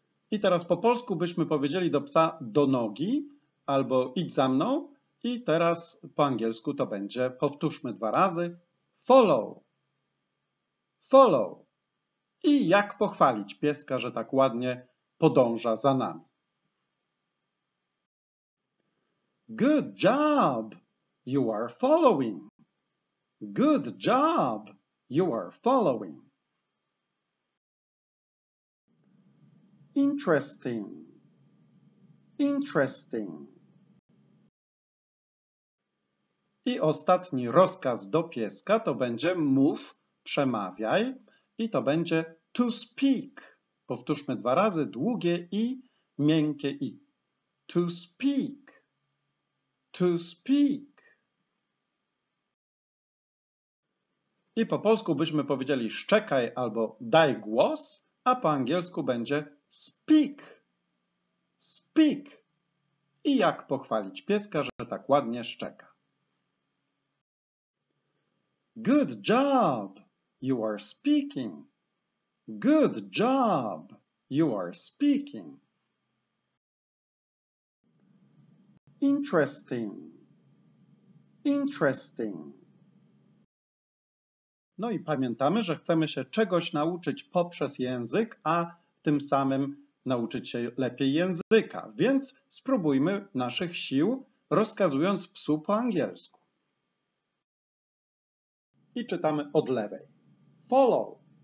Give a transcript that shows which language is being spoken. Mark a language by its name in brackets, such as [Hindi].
[Polish] I teraz po polsku byśmy powiedzieli do psa do nogi albo idź za mną. I teraz po angielsku to będzie, powtórzmy dwa razy, [English] follow, follow. [Polish] I jak pochwalić pieska, że tak ładnie podąża za nami. [English] Good job, you are following. Good job, you are following. Interesting, interesting. [Polish] I ostatni rozkaz do pieska to będzie mów, przemawiaj i to będzie [English] to speak. [Polish] Powtórzmy dwa razy długie i, miękkie i. [English] To speak. To speak. [Polish] I po polsku byśmy powiedzieli szczekaj albo daj głos, a po angielsku będzie [English] speak. Speak. [Polish] I jak pochwalić pieska, że tak ładnie szczeka. [English] Good job, you are speaking. Good job, you are speaking. Interesting, interesting. [Polish] No i pamiętamy, że chcemy się czegoś nauczyć poprzez język, a tym samym nauczyć się lepiej języka. Więc spróbujmy naszych sił, rozkazując psu po angielsku. I czytamy od lewej. [English] Follow.